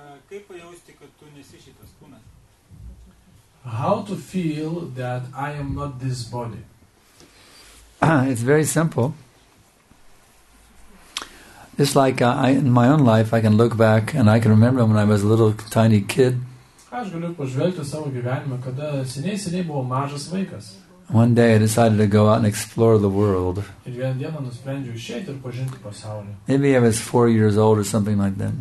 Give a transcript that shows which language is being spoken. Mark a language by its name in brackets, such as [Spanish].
[Lithuanian] Kaip jausti, kad tu nesi šitas kūnas? [English] How to feel that I am not this body? It's very simple. It's like I, in my own life, I can look back and I can remember when I was a little tiny kid. [Lithuanian] Aš galiu pažvelgti savo gyvenimą, kada seniai, seniai buvau mažas vaikas. [English] One day I decided to go out and explore the world. [Lithuanian] Ir vieną dieną nusprendžiau išėti ir pažinti pasaulį. [English] Maybe I was 4 years old or something like that.